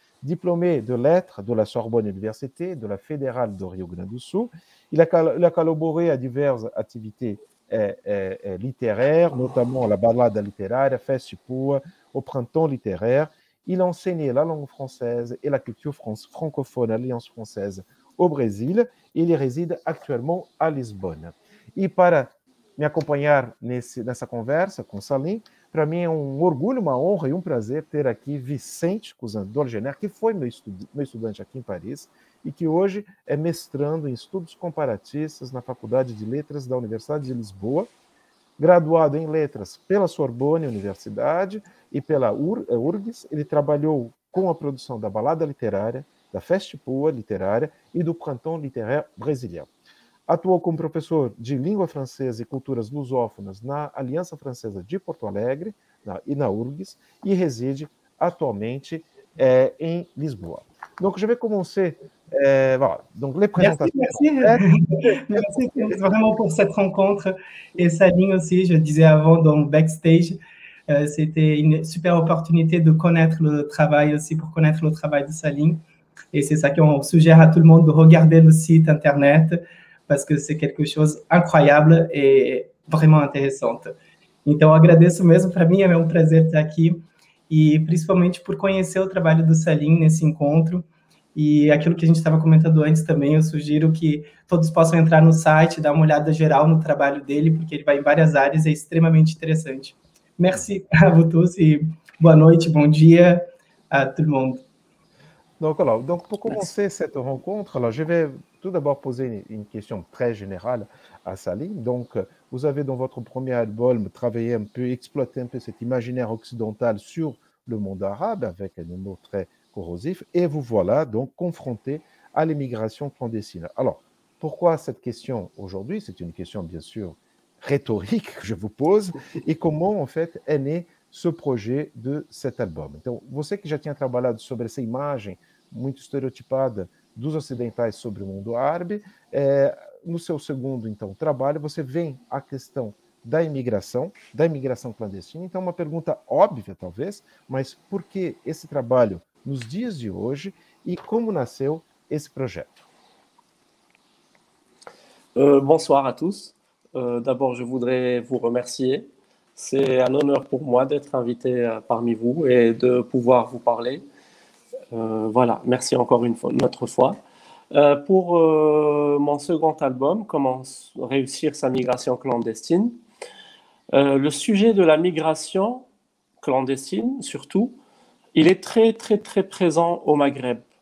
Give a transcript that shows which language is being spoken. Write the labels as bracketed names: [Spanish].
[French] Diplômé de lettres de la Sorbonne Université, de la Fédérale de Rio Grande do Sul, il a collaboré à diverses activités littéraires, notamment la Ballade littéraire, Festipour, au Printemps littéraire. Il a enseigné la langue française et la culture francophone à l'Alliance française au Brésil. Il y réside actuellement à Lisbonne. [Portuguese] Et para me acompanhar nessa conversa com Salim, para mim é um orgulho, uma honra e um prazer ter aqui Vicente Cousin d'Olgener, que foi meu estudante aqui em Paris e que hoje é mestrando em estudos comparatistas na Faculdade de Letras da Universidade de Lisboa, graduado em Letras pela Sorbonne Universidade e pela URGS. Ele trabalhou com a produção da Balada Literária, da Festipua Literária e do Printemps Littéraire Brésilien. Atuou como professor de língua francesa e culturas lusófonas na Aliança Francesa de Porto Alegre e na URGS, e reside atualmente em Lisboa. [French] Donc, je vais commencer. Voilà. Donc, les présentations. Merci, vraiment pour cette rencontre. Et Salim aussi, je disais avant, dans le backstage, c'était une super opportunité de connaître le travail aussi, pour connaître le travail de Salim. Et c'est ça qu'on suggère à tout le monde, de regarder le site internet, parce que c'est quelque chose d'incroyable et vraiment intéressant. [Portuguese] Então, agradeço mesmo, para mim é um prazer estar aqui, e principalmente por conhecer o trabalho do Salim nesse encontro, e aquilo que a gente estava comentando antes também, eu sugiro que todos possam entrar no site, dar uma olhada geral no trabalho dele, porque ele vai em várias áreas, é extremamente interessante. [French] Merci à vous tous, [Portuguese] e boa noite, bom dia a todo mundo. [French] Donc, alors, donc pour commencer cette rencontre, alors, je vais tout d'abord poser une question très générale à Salim. Donc, vous avez dans votre premier album travaillé un peu, exploité un peu cet imaginaire occidental sur le monde arabe avec un humour très corrosif, et vous voilà donc confronté à l'immigration clandestine. Alors, pourquoi cette question aujourd'hui? C'est une question bien sûr rhétorique que je vous pose, et comment en fait est né ce projet de cet album. [Portuguese] Então, você que já tinha trabalhado sobre essa imagem muito estereotipada dos ocidentais sobre o mundo árabe, no seu segundo então trabalho, você vem à questão da imigração clandestina. Então, uma pergunta óbvia, talvez, mas por que esse trabalho nos dias de hoje e como nasceu esse projeto? [French] Bonsoir à tous. D'abord, je voudrais vous remercier. C'est un honneur pour moi d'être invité parmi vous et de pouvoir vous parler. Voilà, merci encore une autre fois. Mon second album, Comment réussir sa migration clandestine, le sujet de la migration clandestine, surtout, il est très, très, très présent au Maghreb.